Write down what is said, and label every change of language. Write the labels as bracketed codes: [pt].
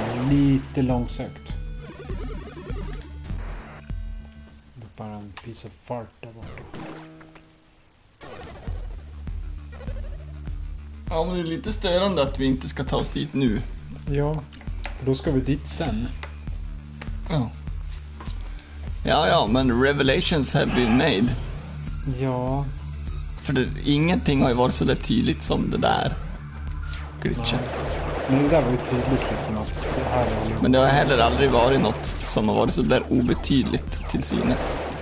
[sv] Lite långsökt. Det är bara en [en] piece of fart [sv] där borta. Ja, men det är lite störande att vi inte ska ta oss dit nu. Ja, då ska vi dit sen. Ja. Ja, ja, men [en] revelations have been made. [sv] Ja. För det, ingenting har ju varit så där tydligt som det där glitchet. Nej. Men det där var ju tydligt liksom att det här är något. Men det har heller aldrig varit något som har varit så där obetydligt till synes.